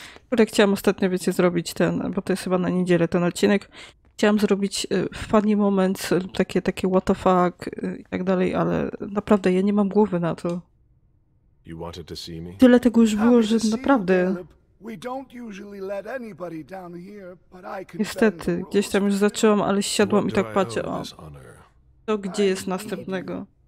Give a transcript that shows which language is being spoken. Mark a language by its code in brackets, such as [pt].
[pl] Kurde, chciałam ostatnio, wiecie, zrobić ten, bo to jest chyba na niedzielę ten odcinek. Chciałam zrobić [en] funny moment, [pl] takie [en] what the fuck, [pl] i tak dalej, ale naprawdę ja nie mam głowy na to. [en] You wanted to see me? [pl] Tyle tego już było, że naprawdę. [en] We don't usually let anybody down here, but I can. [pl] Niestety, gdzieś tam już zacząłem, ale siadłam i tak patrzę. O, to gdzie jest następnego?